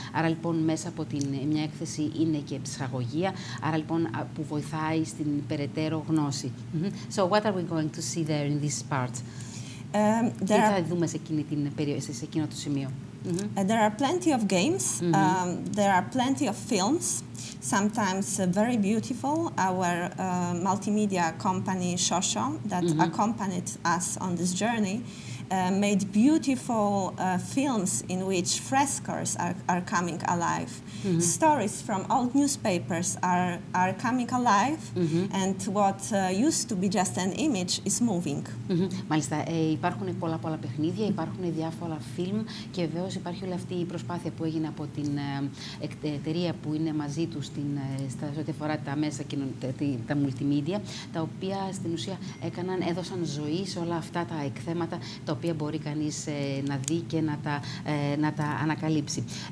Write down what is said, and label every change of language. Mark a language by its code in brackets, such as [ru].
[el] Άρα λοιπόν, μέσα από μια έκθεση είναι και ψυχαγωγία, άρα λοιπόν, που βοηθάει στην περαιτέρω γνώση. [en] So what are we going to see there in this part? [el] Τι θα δούμε σε εκείνη την περίοδο, σε εκείνο το σημείο? Mm-hmm. [en] There are plenty of games, mm-hmm. There are plenty of films, sometimes very beautiful. Our multimedia company Shosho, that mm-hmm. accompanied us on this journey, made beautiful films in which frescoes are coming alive. Mm-hmm. Stories from old newspapers are coming alive, mm-hmm. and what used to be just an image is moving. [el] Μάλιστα, υπάρχουν πολλά παιχνίδια, υπάρχουν διάφορα φιλμ και βεβαίως υπάρχει όλη αυτή η προσπάθεια που έγινε από την εταιρεία που είναι μαζί του στα ό,τι αφορά τα μέσα και τα multimedia, τα οποία στην ουσία έδωσαν ζωή σε όλα αυτά τα εκθέματα τα οποία μπορεί κανείς να δει και να τα ανακαλύψει.